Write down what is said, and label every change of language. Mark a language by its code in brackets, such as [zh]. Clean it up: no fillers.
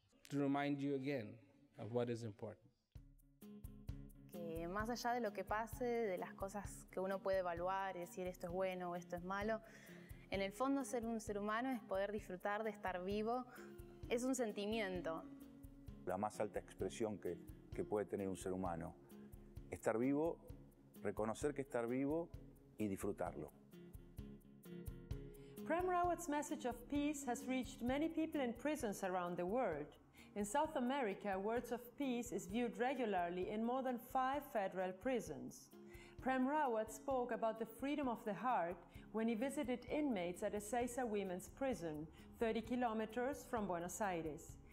[en] To remind you again of what is important. [es] Que más allá de lo que pase, de las cosas que uno puede evaluar y decir esto es bueno o esto es malo, en el fondo ser un ser humano es poder disfrutar de estar vivo. Es un sentimiento. La más alta expresión que puede tener un ser humano. Estar vivo, reconocer que estar vivo y disfrutarlo. [en] Prem Rawat's message of peace has reached many people in prisons around the world. In South America, Words of Peace is viewed regularly in more than 5 federal prisons. Prem Rawat spoke about the freedom of the heart when he visited inmates at Ezeiza Women's Prison, 30 kilometers from Buenos Aires.